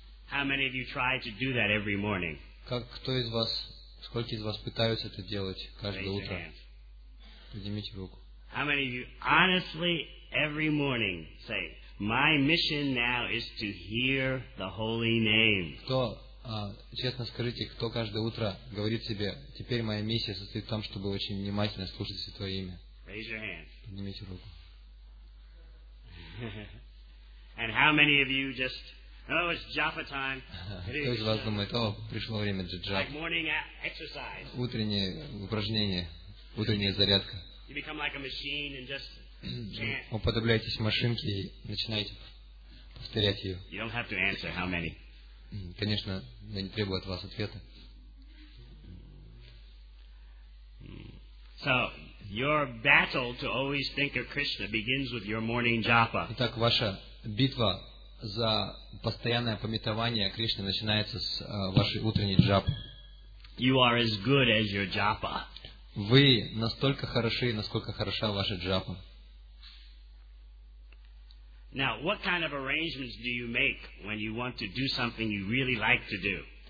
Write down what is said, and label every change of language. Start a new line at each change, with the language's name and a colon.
English: How many of you try to do that every morning?
Russian: Как кто из вас, сколько из вас пытаются это делать каждое утро? Поднимите руку.
English: How many of you honestly every morning say, "My mission now is to hear the holy name"?
Russian: Кто честно скажите, кто каждое утро говорит себе, теперь моя миссия состоит в том, чтобы очень внимательно слушать Святое Имя?
English: Raise your hand.
Russian: Поднимите руку.
English: And how many of you just, oh, it's Japa time.
Russian: Кто из вас думает, о, пришло время для джапы?
English: Like morning exercise.
Russian: Утреннее упражнение, утренняя зарядка.
English: You become like a machine and just chant.
Russian: Уподобляетесь машинке и начинаете повторять ее.
English: You don't have to answer how many.
Russian: Конечно, я не требую от вас ответа.
English: So, your battle to always think of Krishna begins with your morning japa.
Russian: Итак, ваша битва за постоянное памятование о Кришне начинается с вашей утренней джапы.
English: You are as good as your japa.
Russian: Вы настолько хороши, насколько хороша ваша джапа.
English: Now, what kind of arrangements do you make when you want to do something you really like to do?